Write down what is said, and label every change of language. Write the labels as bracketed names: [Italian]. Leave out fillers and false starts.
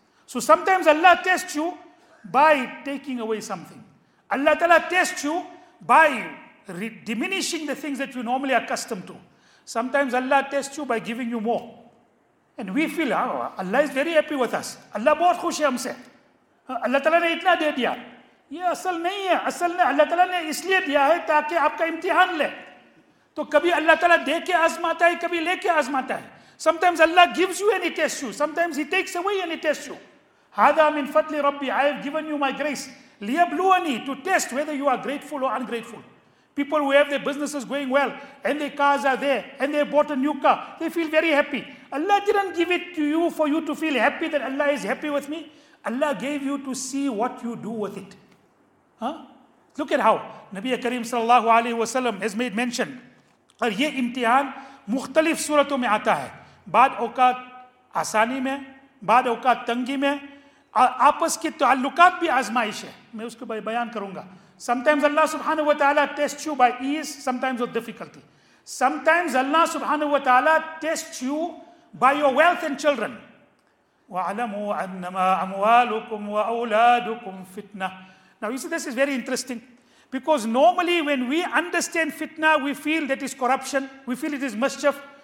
[English] So sometimes Allah tests you by taking away something. Allah Ta'ala tests you by diminishing the things that you normally accustomed to. Sometimes Allah tests you by giving you more. And we feel, Allah is very happy with us. [Urdu] Allah bahut khush hai humse. Allah Ta'ala ne itna de diya. یہ اصل نہیں ہے, اصل نے اللہ تعالیٰ نے اس لیے دیا ہے تاکہ آپ کا امتحان لے. تو کبھی اللہ تعالیٰ دے کے آزماتا ہے, کبھی لے کے آزماتا ہے. [English] Some times Allah gives you and he test you, some times he takes away and he test you. [Arabic] ھذا من فضل ربی, [English] I have given you my grace, [Arabic] لیبلونی, [English] To test whether you are grateful or ungrateful. People who have their businesses going well and their cars are there and they bought a new car, they feel very happy. Allah didn't give it to you for you to feel happy that Allah is happy with me. Allah gave you to see what you do with it. Look at how Nabi Kareem sallallahu alayhi wa sallam has made mention. [Urdu] اور یہ امتحان مختلف صورتوں میں آتا ہے, بعد اوقات آسانی میں, بعد اوقات تنگی میں, اور آپس کے تعلقات بھی آزمائش ہے. میں اس کو بیان کروں گا. [English] Sometimes Allah subhanahu wa ta'ala tests you by ease, sometimes with difficulty. Sometimes Allah subhanahu wa ta'ala tests you by your wealth and children. [Arabic] وَعَلَمُوا أَنَّمَا أَمْوَالُكُمْ وَأَوْلَادُكُمْ فِتْنَةٌ. [English] Now you see, this is very interesting, because normally when we understand fitna, we feel that is corruption, we feel it is mischief.